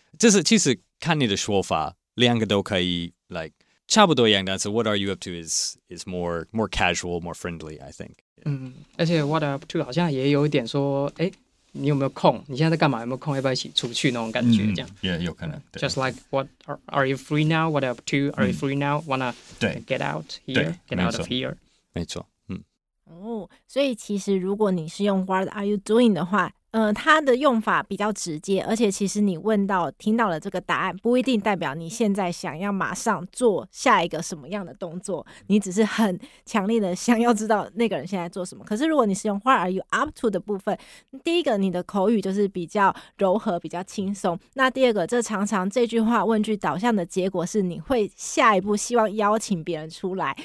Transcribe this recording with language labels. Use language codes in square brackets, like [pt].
[zh] 就是其实看你的说法，两个都可以 like 差不多一样。但是 [en] what are you up to is more casual, more friendly, I think. [zh] Yeah. 而且 [en] what are you up to [zh] 好像也有一点说，你有没有空？你现在在干嘛？有没有空？要不要一起出去？那种感觉，这样。 Yeah, 有可能。 [en] Just like, what are you free now? What up to? Are you free now? Wanna get out here? Get out of here? [zh] 没错。所以其实如果你是用 [en] What are you doing [zh] 的话，它的用法比较直接，而且其实你问到听到了这个答案，不一定代表你现在想要马上做下一个什么样的动作，你只是很强烈的想要知道那个人现在做什么。可是如果你是用 [en] What are you up to [zh] 的部分，第一个你的口语就是比较柔和比较轻松，那第二个这常常这句话问句导向的结果是你会下一步希望邀请别人出来。